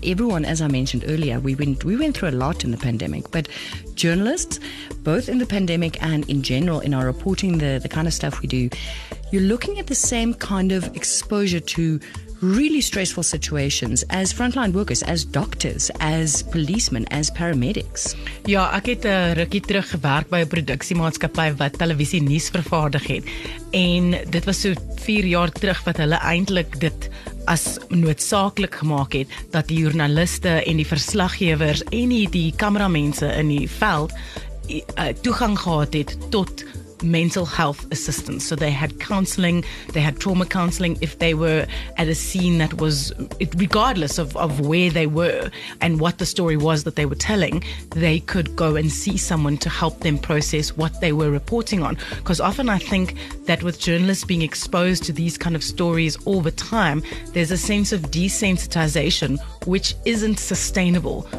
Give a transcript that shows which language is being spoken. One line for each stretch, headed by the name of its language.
English: Everyone, as I mentioned earlier, we went through a lot in the pandemic, but journalists, both in the pandemic and in general, in our reporting, the kind of stuff we do, you're looking at the same kind of exposure to really stressful situations as frontline workers, as doctors, as policemen, as paramedics.
Afrikaans: Ja, ek het 'n rukkie terug gewerk by 'n produksiemaatskappy wat televisie nuus vervaardig het. En dit was so 4 jaar terug wat hulle eintlik dit as noodsaaklik gemaak het dat die joernaliste en die verslaggewers en die kameramense in die veld toegang gehad het tot
English: mental health assistance. So they had counseling, they had trauma counseling if they were at a scene that was, regardless of where they were and what the story was that they were telling, they could go and see someone to help them process what they were reporting on. Because often I think that with journalists being exposed to these kind of stories all the time, there's a sense of desensitization which isn't sustainable.